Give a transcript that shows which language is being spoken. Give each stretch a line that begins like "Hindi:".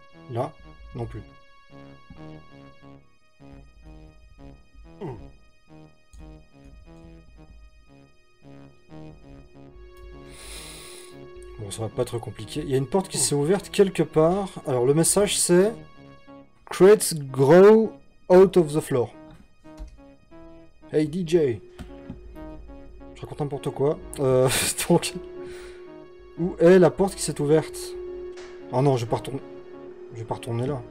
French: Là, non plus. Bon, ça va pas être compliqué. Il y a une porte qui s'est ouverte quelque part. Alors, le message, c'est...
English: Crates grow out of the floor. Hey, DJ.
French: Je raconte n'importe quoi. Donc... Où est la porte qui s'est ouverte? Ah non, je vais pas retourner. Je vais pas retourner là.